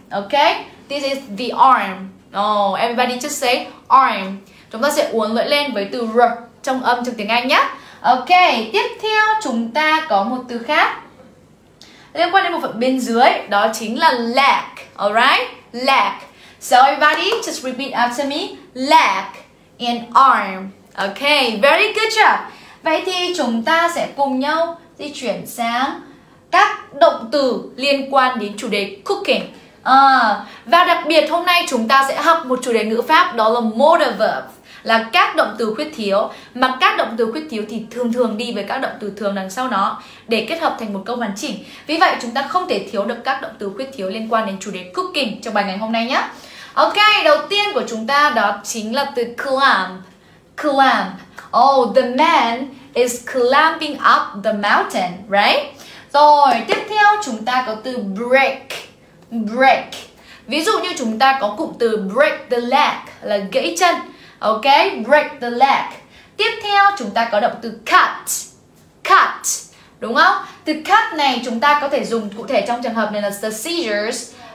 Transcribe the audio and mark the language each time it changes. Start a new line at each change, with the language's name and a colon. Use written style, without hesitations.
English: Ok, this is the arm. Oh, everybody just say arm.
Vietnamese: Chúng ta sẽ uốn lưỡi lên với từ r trong âm trong tiếng Anh nhé. Ok, tiếp theo chúng ta có một từ khác liên quan đến một phần bên dưới, đó chính là leg.
English: Alright, leg. So everybody just repeat after me: leg and arm. Ok, very good job.
Vietnamese: Vậy thì chúng ta sẽ cùng nhau di chuyển sang các động từ liên quan đến chủ đề cooking. Và đặc biệt hôm nay chúng ta sẽ học một chủ đề ngữ pháp, đó là modal verb, là các động từ khuyết thiếu. Mà các động từ khuyết thiếu thì thường thường đi với các động từ thường đằng sau nó để kết hợp thành một câu hoàn chỉnh. Vì vậy chúng ta không thể thiếu được các động từ khuyết thiếu liên quan đến chủ đề cooking trong bài ngày hôm nay nhé. Ok, đầu tiên của chúng ta đó chính là từ clamp. Clamp.
English: Oh, the man is clamping up the mountain, right?
Vietnamese: Rồi, tiếp theo chúng ta có từ break. Break. Ví dụ như chúng ta có cụm từ break the leg là gãy chân. Ok, break the leg. Tiếp theo chúng ta có động từ cut. Cut, đúng không? Từ cut này chúng ta có thể dùng cụ thể trong trường hợp này là the scissors,